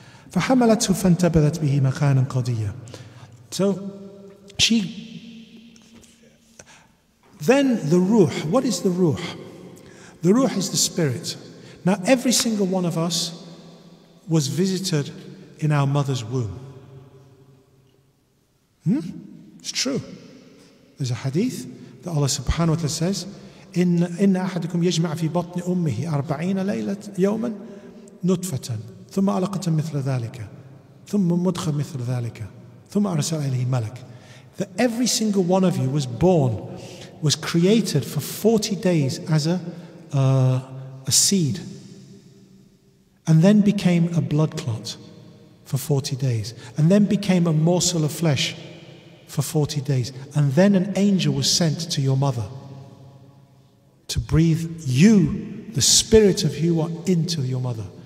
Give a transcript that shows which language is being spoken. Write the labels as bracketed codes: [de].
[ar] فَحَمَلَتْهُ فَانْتَبَذَتْ بِهِ مَكَانًا قَضِيًّا. [en] So, she... Then the ruh, what is the ruh? The ruh is the spirit. Now, every single one of us was visited in our mother's womb. It's true. There's a hadith that Allah subhanahu wa ta'ala says, [ar] إِنَّ أَحَدُكُمْ يَجْمَعَ فِي بَطْنِ أُمِّهِ أَرْبَعِينَ لَيْلَةً يَوْمًا نُطْفَةً ثم علقة مثل ذلك ثم مدخل مثل ذلك ثم أرسل إليه ملك. [en] That every single one of you was born, was created for 40 days as a seed, and then became a blood clot for 40 days, and then became a morsel of flesh for 40 days, and then an angel was sent to your mother to breathe you, the spirit of you, are into your mother.